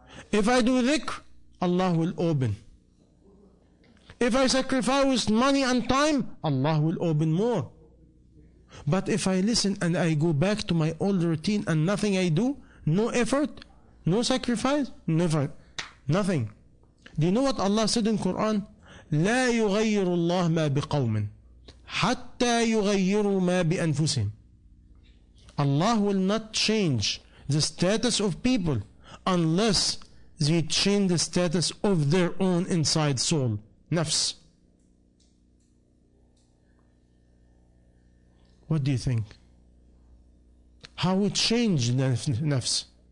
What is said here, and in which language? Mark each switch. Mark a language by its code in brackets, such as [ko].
[en] If I do dhikr, Allah will open. If I sacrifice money and time, Allah will open more. But if I listen and I go back to my old routine and nothing I do, no effort, no sacrifice, never, nothing. Do you know what Allah said in Quran? [ar] لا يغير الله ما بقوم حتى يغيروا ما بأنفسهم. [en] Allah will not change the status of people unless they change the status of their own inside soul, nafs. What do you think? How we change nafs?